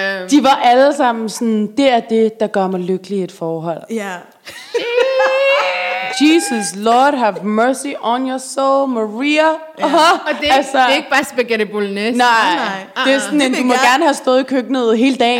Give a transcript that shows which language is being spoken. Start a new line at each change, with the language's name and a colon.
Danish: De var alle sammen sådan, det er det, der gør mig lykkelig i et forhold. Ja.
English: Jesus, Lord, have mercy on your soul, Maria.
Danish: Ja. Og det er ikke bare spaghetti bolognese. Nej, det er sådan, det du må gerne have stået i køkkenet hele dagen.